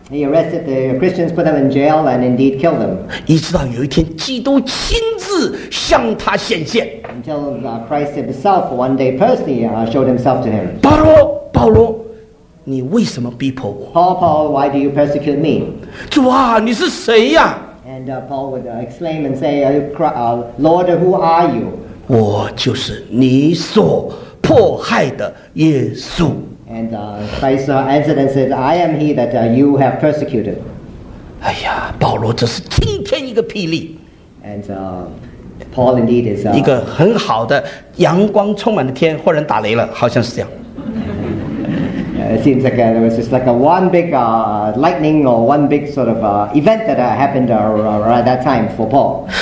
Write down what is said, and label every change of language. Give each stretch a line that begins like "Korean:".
English: He arrested the Christians, put them in jail, and indeed killed them.
Chinese: 一直到有一天，基督亲自向他显现。
English: Until Christ himself one day personally showed himself to him.
Chinese: 保罗，保罗，你为什么逼迫我
English: ？Paul, Paul, why do you persecute me?
Chinese: 主啊，你是谁呀、啊、
English: ？And Paul would exclaim and say, Lord, who are you?
Chinese: 我就是你所迫害的耶稣。
English: And Christ answered and said, I am he that you have persecuted.
Chinese: 哎呀，保罗这是惊天一个霹雳。
English: And Paul indeed is
Chinese: 一个很好的阳光充满的天，忽然打雷了，好像是这样。
English: It seems like there was just like a one big lightning or one big sort of event that happened at that time for Paul.